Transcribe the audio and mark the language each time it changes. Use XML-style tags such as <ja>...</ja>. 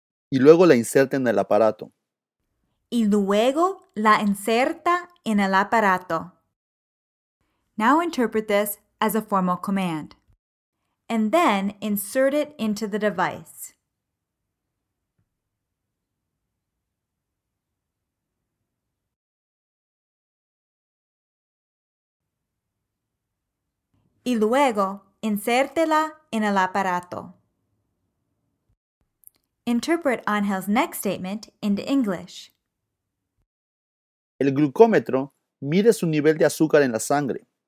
<es>y luego la inserta en el aparato. Y luego la inserta en el aparato.</es> <en>Now interpret this as a formal command. And then insert it into the device.</en> <es>Y luego, insértela en el aparato.</es> <en>Interpret Angel's next statement into English.</en> <es>El glucómetro mide su nivel de azúcar en la sangre.</es>